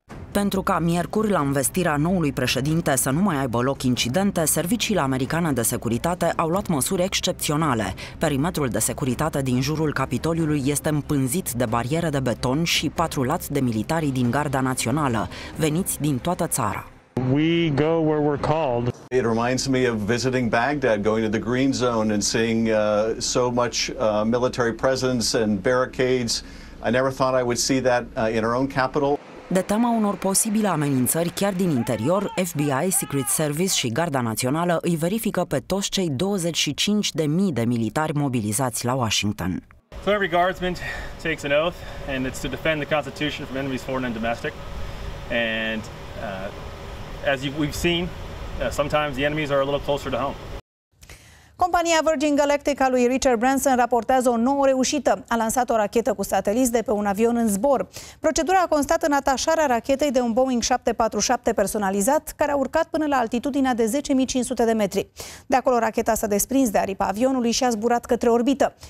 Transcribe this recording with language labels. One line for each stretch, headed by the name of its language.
Romanian: Pentru ca miercuri, la învestirea noului președinte, să nu mai aibă loc incidente, serviciile americane de securitate au luat măsuri excepționale. Perimetrul de securitate din jurul Capitoliului este împânzit de bariere de beton și patrulat de militarii din Garda Națională, veniți din toată țara.
English: We go where we're called. It reminds me of visiting Baghdad, going to the Green Zone and seeing so much military presence and barricades. I never thought I would see that in our own capital.
Romanian: De teama unor posibile amenințări chiar din interior, FBI, Secret Service și Garda Națională îi verifică pe toți cei 25.000 de militari mobilizați la Washington.
English: So every guardsman takes an oath and it's to defend the Constitution from enemies foreign and domestic. And as we've seen, sometimes the enemies are a little closer to home.
Romanian: Compania Virgin Galactic a lui Richard Branson raportează o nouă reușită. A lansat o rachetă cu sateliți de pe un avion în zbor. Procedura a constat în atașarea rachetei de un Boeing 747 personalizat, care a urcat până la altitudinea de 10.500 de metri. De acolo, racheta s-a desprins de aripa avionului și a zburat către orbită.